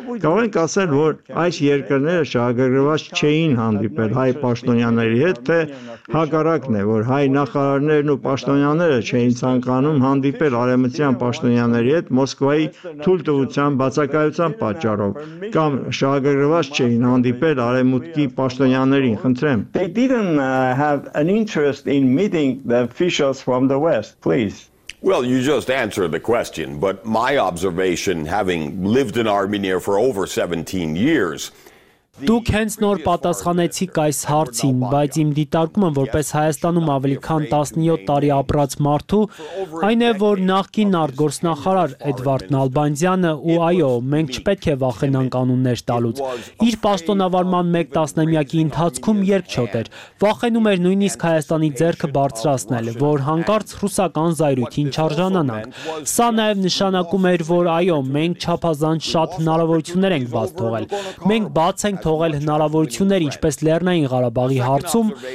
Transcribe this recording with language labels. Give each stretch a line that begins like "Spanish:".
Armenian: Կարող ենք ասել, որ այս երկրները շահագրգռված չէին հանդիպել հայ պաշտոնյաների հետ, թե հակառակն է, որ հայ նախարարներն ու պաշտոնյաները չէին ցանկանում հանդիպել արևմտյան պաշտոնյաների հետ Մոսկվայի թույլ տվության բացակայության պատճառով, կամ շահագրգռված չէին հանդիպել արևմուտքի պաշտոնյաներին, խնդրեմ։
English: An interest in meeting the officials from the West, please. Well, you just answered the question, but my observation, having lived in Armenia for over 17 years,
Armenian: Դուք հենց նոր պատասխանեցիք այս հարցին, բայց իմ դիտարկումը որպես Հայաստանում ավելի քան 17 տարի ապրած մարդու, այն է, որ նախկին արտգործնախարար Էդվարդ Նալբանդյանը ու այո, մենք չպետք է վախենանք անուններ տալուց, իր պաշտոնավարման մեկ տասնամյակի ընթացքում երկչոտ էր, վախենում էր նույնիսկ Հայաստանի ձեռքը բարձրացնել, որ հանկարծ ռուսական զայրույթին չարժանանանք։ Սա նաև նշանակում էր, որ այո, մենք չափազանց շատ հնարավորություններ ենք բաց թողել։ Մենք բաց ենք թողել հնարավորություններ ինչպես Լեռնային Ղարաբաղի հարցում,